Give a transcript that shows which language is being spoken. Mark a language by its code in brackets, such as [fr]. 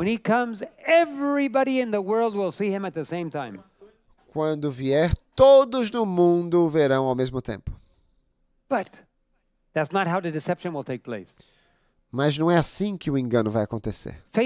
[en] When he comes, everybody in the world will see him at the same time. [pt] Quando vier, todos no mundo o verão ao mesmo tempo. [en] But that's not how the deception will take place. [pt] Mas não é assim que o engano vai acontecer.